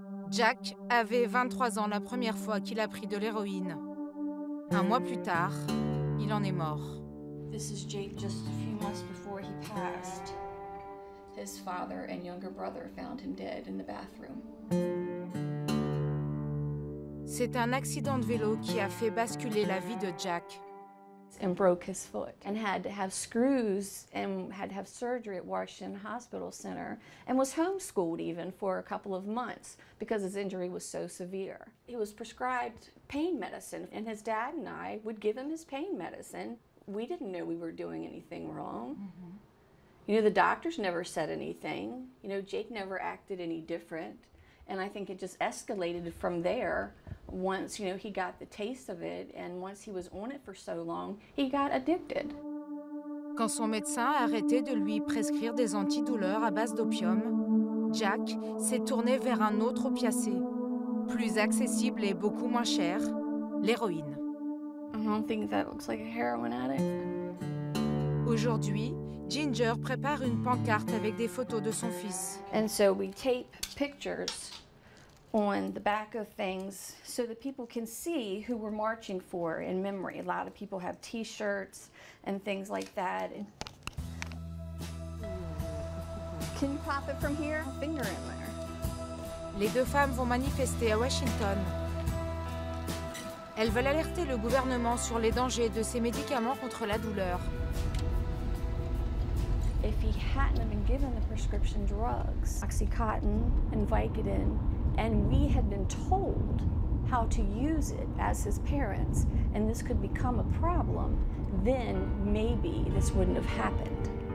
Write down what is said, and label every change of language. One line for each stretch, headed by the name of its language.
French: Jack avait 23 ans la première fois qu'il a pris de l'héroïne. Un mois plus tard, il en est mort.
English: This is Jake just a few months before he passed. His father and younger brother found him dead in the bathroom.
French: C'est un accident de vélo qui a fait basculer la vie de Jack.
English: And broke his foot and had to have screws and had to have surgery at Washington Hospital Center and was homeschooled even for a couple of months because his injury was so severe. He was prescribed pain medicine and his dad and I would give him his pain medicine. We didn't know we were doing anything wrong. Mm-hmm. You know, the doctors never said anything. You know, Jake never acted any different. And I think it just escalated from there once, you know, he got the taste of it and once he was on it for so long, he got addicted.
French: Quand son médecin a arrêté de lui prescrire des antidouleurs à base d'opium, Jack s'est tourné vers un autre opiacé, plus accessible et beaucoup moins cher, l'héroïne.
English: I don't think that looks like a heroin addict.
French: Aujourd'hui, Ginger prépare une pancarte avec des photos de son fils.
English: And so we tape pictures on the back of things so that people can see who we're marching for in memory. A lot of people have t-shirts and things like that. Can you pop it from here? Finger in there.
French: Les deux femmes vont manifester à Washington. Elles veulent alerter le gouvernement sur les dangers de ces médicaments contre la douleur.
English: If he hadn't been given the prescription drugs, OxyContin and Vicodin, And we had been told how to use it as his parents, and this could become a problem, then maybe this wouldn't have happened.